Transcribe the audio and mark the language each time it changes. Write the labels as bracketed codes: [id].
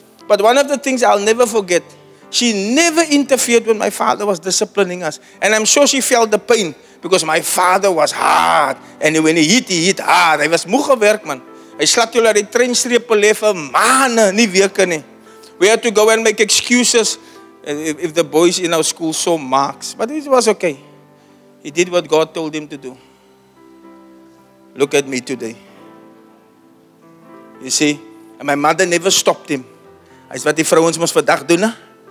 [en] But one of the things I'll never forget, she never interfered when my father was disciplining us. And I'm sure she felt the pain because my father was hard. And when he hit hard. [af] Hy was moeg gewerk, man. Hy slat julle die treinstrepe lê vir maande, nie weke nie. [en] We had to go and make excuses if the boys in our school saw marks. But it was okay. He did what God told him to do. Look at me today. You see, and my mother never stopped him. [af] Hy's wat die vrouens mos vandag doen, hè?